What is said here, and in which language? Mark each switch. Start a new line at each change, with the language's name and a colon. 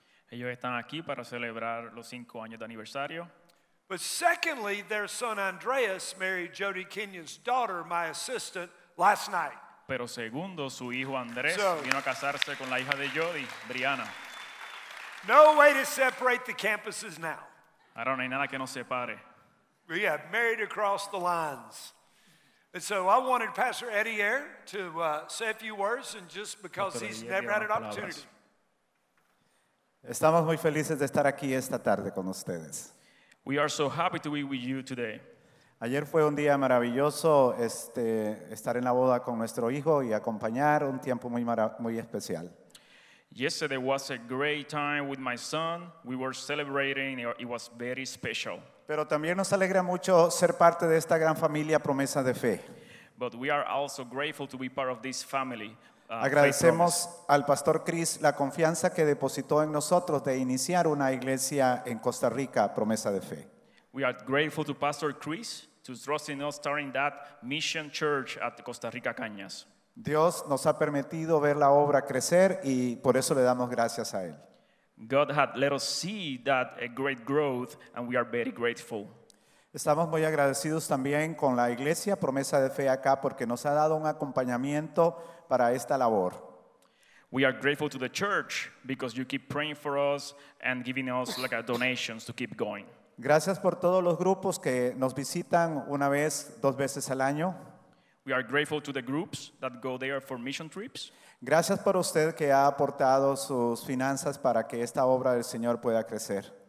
Spanish: Ellos están aquí para celebrar los 5 años de aniversario.
English: But secondly, their son Andreas married Jody Kenyon's daughter, my assistant, last night.
Spanish: Pero segundo, su hijo Andrés vino a casarse con la hija de Jody, Brianna.
English: No way to separate the campuses now.
Spanish: Ahora no hay nada que nos separe.
English: We have married across the lines. And so I wanted Pastor Eddie Ayer to say a few words, and just because he's never had an opportunity.
Spanish: Estamos muy felices de estar aquí esta tarde con ustedes.
English: We are so happy to be with you today.
Spanish: Ayer fue un día maravilloso estar en la boda con nuestro hijo y acompañar un tiempo muy especial.
English: Yesterday was a great time with my son. We were celebrating. It was very special.
Spanish: Pero también nos alegra mucho ser parte de esta gran familia Promesa de Fe.
English: But we are also grateful to be part of this family.
Spanish: Agradecemos al Pastor Chris la confianza que depositó en nosotros de iniciar una iglesia en Costa Rica, Promesa de Fe.
English: We are grateful to Pastor Chris to trust in us starting that mission church at Costa Rica Cañas.
Spanish: Dios nos ha permitido ver la obra crecer y por eso le damos gracias a él.
English: God had let us see that a great growth and we are very grateful.
Spanish: Estamos muy agradecidos también con la iglesia Promesa de Fe acá porque nos ha dado un acompañamiento para esta labor.
English: We are grateful to the church because you keep praying for us and giving us like a donations to keep going.
Spanish: Gracias por todos los grupos que nos visitan una vez, dos veces al año.
English: We are grateful to the groups that go there for mission trips.
Spanish: Gracias por usted que ha aportado sus finanzas para que esta obra del Señor pueda crecer.